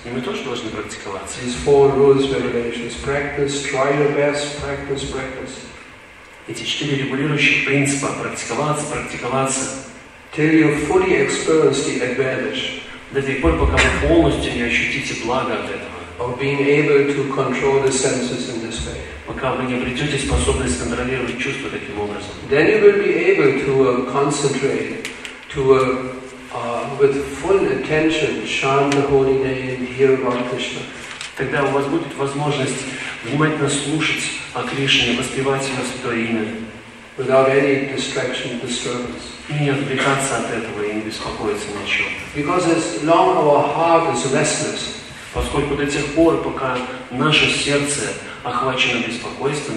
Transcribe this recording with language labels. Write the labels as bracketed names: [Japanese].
[Russian] И мы тоже должны практиковаться. [English] These four rules, regulations. Practice, try your best, practice. [Russian] Эти четыре регулирующих принципа. Практиковаться. [English] Till you fully experience the advantage. [Russian] До тех пор, пока вы полностью не ощутите благо от этого. [English] Of being able to control the senses in this way. [Russian] Пока вы не обретете способность контролировать чувства таким образом. [English] Then you will be able to concentrate to with full attention chant the holy name, hear about Krishna. [Russian] Тогда у вас будет возможность внимательно слушать о Кришне, воспевать его святое имя. [English] Without any distraction, disturbance. [Russian] И не отвлекаться от этого и не беспокоиться ни о чем. [English] Because as long our heart is restless, [Russian] поскольку до тех пор, пока наше сердце охвачено беспокойством,